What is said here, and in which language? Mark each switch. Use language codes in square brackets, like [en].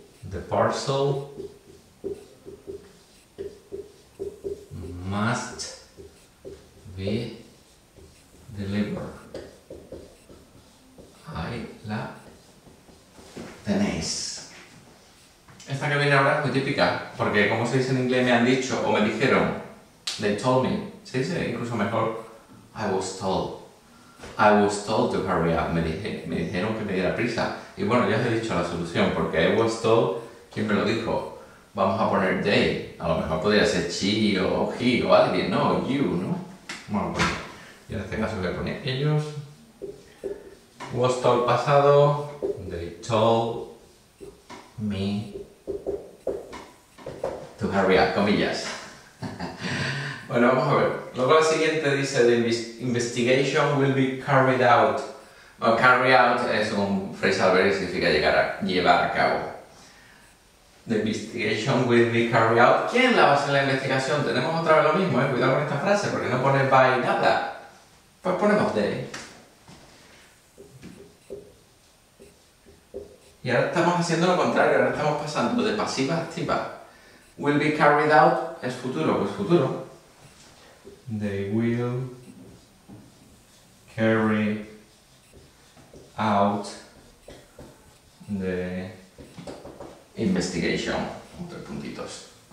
[en] The parcel must be delivered. [es] Ahí la tenéis. Esta que viene ahora es muy típica, porque como se dice en inglés, me han dicho o me dijeron. [en] They told me. [es] Se dice incluso mejor, [en] I was told. I was told to hurry up. [es] Me dijeron que me diera prisa. [en] Y bueno, ya os he dicho la solución, porque I was told, ¿quién me lo dijo? Vamos a poner they. A lo mejor podría ser she o he o alguien. No, you, ¿no? Bueno, pues y en este caso voy a poner ellos. Was told pasado. They told me to hurry up, [es] comillas. [en] Bueno, vamos a ver. Luego la siguiente dice, the investigation will be carried out. Well, carry out es un phrasal verb que significa llegar a, llevar a cabo. The investigation will be carried out. [es] ¿Quién la va a hacer la investigación? Tenemos otra vez lo mismo, ¿eh? Cuidado con esta frase, porque no pone by nada. Pues ponemos de. Y ahora estamos haciendo lo contrario, ahora estamos pasando de pasiva a activa. Will be carried out es futuro, pues futuro. [en] They will carry out the investigation. [es] Tres puntitos.